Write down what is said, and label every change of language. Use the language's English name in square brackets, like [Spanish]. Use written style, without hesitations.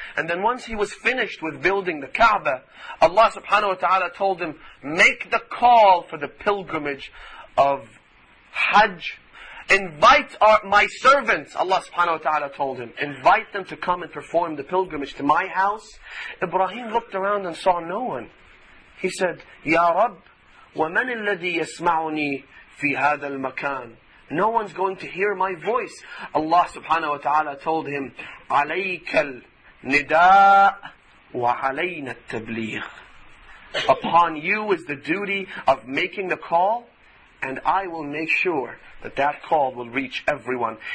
[English] And then once he was finished with building the Kaaba, Allah subhanahu wa ta'ala told him, make the call for the pilgrimage of Hajj. Invite my servants, Allah subhanahu wa ta'ala told him, invite them to come and perform the pilgrimage to my house. Ibrahim looked around and saw no one. He said, [Arabic] Ya Rab, وَمَنِ الَّذِي يَسْمَعُنِي فِي هَذَا الْمَكَانِ? [English] No one's going to hear my voice. Allah subhanahu wa ta'ala told him, [Arabic] عَلَيْكَ الْنِدَاءُ وَعَلَيْنَا التَّبْلِيغُ. [English] Upon you is the duty of making the call, and I will make sure that that call will reach everyone.